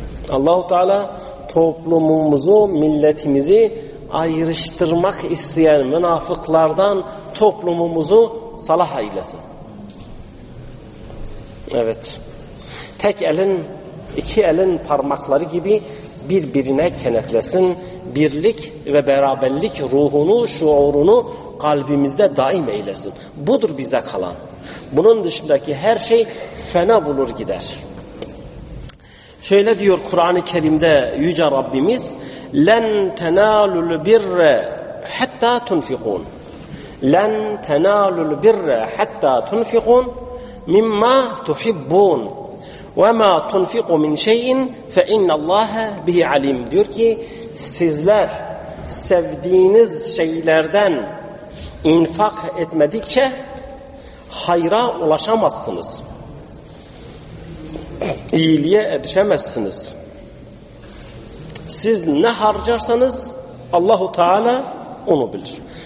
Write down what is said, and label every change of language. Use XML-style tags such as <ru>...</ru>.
<tr>Allah-u Teala toplumumuzu, milletimizi ayrıştırmak isteyen münafıklardan toplumumuzu salah eylesin. Evet. Tek elin iki elin parmakları gibi birbirine kenetlesin. Birlik ve beraberlik ruhunu, şuurunu kalbimizde daim eylesin. Budur bize kalan. Bunun dışındaki her şey fena bulur gider. Şöyle diyor Kur'an-ı Kerim'de Yüce Rabbimiz,</tr> <ar>لَنْ تَنَالُ الْبِرَّ حَتَّى تُنْفِقُونَ لَنْ تَنَالُ الْبِرَّ حَتَّى تُنْفِقُونَ مِمَّا تُحِبُّونَ وَمَا تُنْفِقُ مِنْ شَيْءٍ فَإِنَّ اللّٰهَ بِهِ عَلِيمٌ.</ar> <tr>Diyor ki, sizler sevdiğiniz şeylerden infak etmedikçe hayra ulaşamazsınız, İyiliğe erişemezsiniz. Siz ne harcarsanız Allahu Teala onu bilir.</tr>